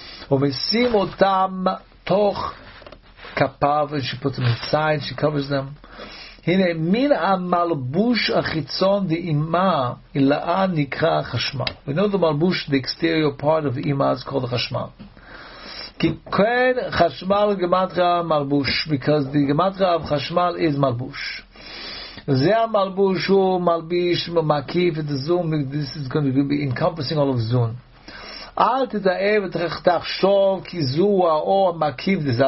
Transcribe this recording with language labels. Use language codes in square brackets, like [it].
[he] Umesim otam toch kapav, [en] and she puts them inside, she covers them. [he] הנה מן המלבוש החיצון דאמא אלאה נקרא חשמל. [en] We know the מלבוש, the exterior part of אמא, is called חשמל. [he] כי כן חשמל גמטרא מלבוש, [en] because the גמטרא of חשמל is מלבוש. [he] זה המלבוש הוא מלביש מקיף את הזון, [en] this is going to be encompassing all of [he] זון. אל תתאב ותחשוב כי זו האור המקיף דזה.